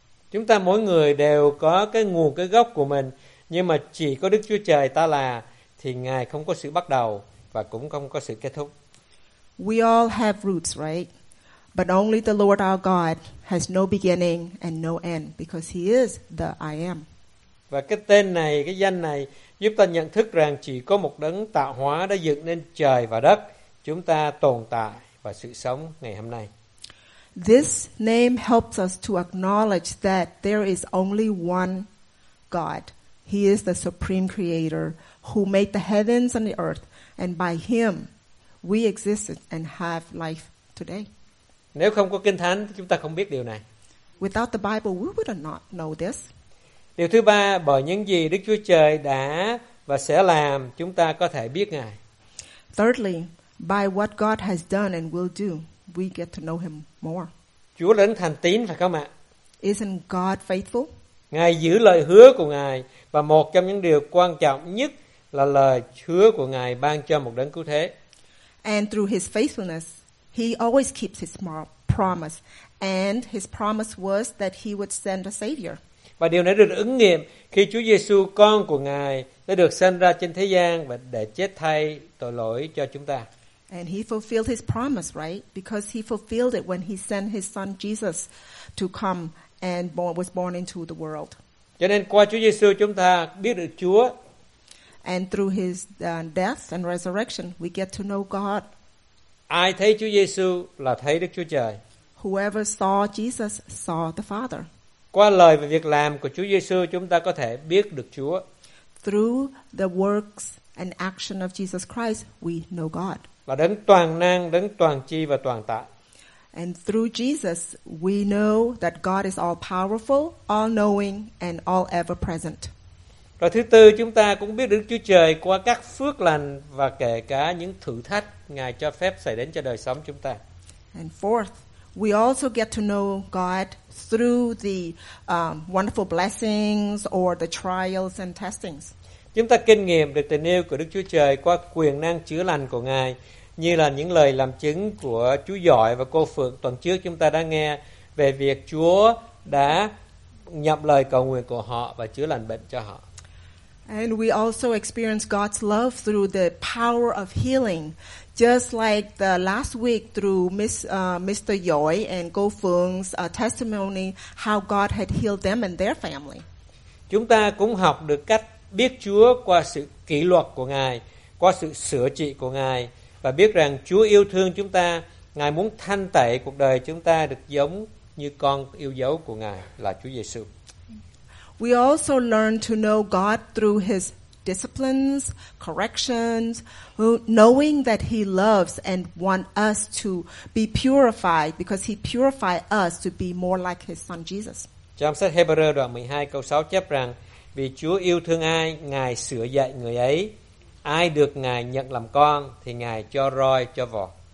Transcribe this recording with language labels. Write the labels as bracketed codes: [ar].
[vi] Chúng ta mỗi người đều có cái nguồn, cái gốc của mình, nhưng mà chỉ có Đức Chúa Trời Ta là thì Ngài không có sự bắt đầu và cũng không có sự kết thúc. [en] We all have roots, right? But only the Lord our God has no beginning and no end, because he is the I am. [vi] Và cái tên này, cái danh này giúp ta nhận thức rằng chỉ có một đấng tạo hóa đã dựng nên trời và đất, chúng ta tồn tại và sự sống ngày hôm nay. [en] This name helps us to acknowledge that there is only one God. He is the supreme creator who made the heavens and the earth, and by him we exist and have life today. [vi] Nếu không có Kinh Thánh, chúng ta không biết điều này. [en] Without the Bible, we would not know this. [vi] Điều thứ ba, bởi những gì Đức Chúa Trời đã và sẽ làm, chúng ta có thể biết Ngài. [en] Thirdly, by what God has done and will do, we get to know him more. [vi] Chúa là đấng thành tín phải không ạ? [en] Isn't God faithful? [vi] Ngài giữ lời hứa của Ngài, và một trong những điều quan trọng nhất là lời hứa của Ngài ban cho một đấng cứu thế. [en] And through his faithfulness, he always keeps his promise, and his promise was that he would send a savior. [vi] Và điều này được ứng nghiệm khi Chúa Giêsu con của Ngài đã được sinh ra trên thế gian và để chết thay tội lỗi cho chúng ta. [en] And he fulfilled his promise, right? Because he fulfilled it when he sent his son Jesus to come and was born into the world. [vi] Cho nên qua Chúa Giêsu chúng ta biết được Chúa. [en] And through his death and resurrection, we get to know God. [vi] Ai thấy Chúa Giêsu là thấy Đức Chúa Trời. [en] Whoever saw Jesus saw the Father. [vi] Qua lời và việc làm của Chúa Giêsu chúng ta có thể biết được Chúa. [en] Through the works and action of Jesus Christ, we know God. [vi] Là đấng toàn năng, đấng toàn tri và toàn tại. [en] And through Jesus, we know that God is all powerful, all knowing, and all ever present. [vi] Rồi thứ tư, chúng ta cũng biết Đức Chúa Trời qua các phước lành và kể cả những thử thách Ngài cho phép xảy đến cho đời sống chúng ta. [en] And fourth, we also get to know God through the wonderful blessings or the trials and testings. [vi] Chúng ta kinh nghiệm được tình yêu của Đức Chúa Trời qua quyền năng chữa lành của Ngài, như là những lời làm chứng của chú Giỏi và cô Phượng tuần trước chúng ta đã nghe về việc Chúa đã nhập lời cầu nguyện của họ và chữa lành bệnh cho họ. [en] And we also experience God's love through the power of healing, just like the last week through Mr. Joy and Go Phương's testimony how God had healed them and their family. [vi] Chúng ta cũng học được cách biết Chúa qua sự kỷ luật của Ngài, qua sự sửa trị của Ngài và biết rằng Chúa yêu thương chúng ta, Ngài muốn thanh tẩy cuộc đời chúng ta được giống như con yêu dấu của Ngài là Chúa Giêsu. [en] We also learn to know God through his disciplines, corrections, knowing that he loves and wants us to be purified because he purified us to be more like his son Jesus. [vi] Trong sách Hebrew đoạn 12 câu 6 chép rằng vì Chúa yêu thương ai, Ngài sửa dạy người ấy. Ai được Ngài nhận làm con thì Ngài cho roi cho vò.